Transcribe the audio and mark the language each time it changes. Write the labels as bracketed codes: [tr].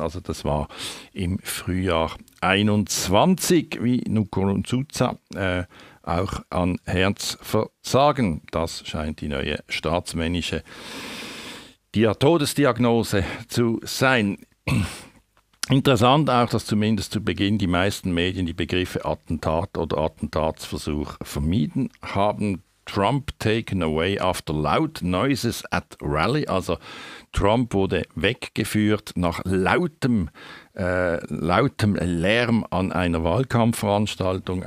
[de] Also das war im Frühjahr 21, wie Nkurunziza auch an Herzversagen. Das scheint die neue staatsmännische Todesdiagnose zu sein. Interessant auch, dass zumindest zu Beginn die meisten Medien die Begriffe Attentat oder Attentatsversuch vermieden haben. [en] Trump taken away after loud noises at rally. [de] Also Trump wurde weggeführt nach lautem Lärm an einer Wahlkampfveranstaltung.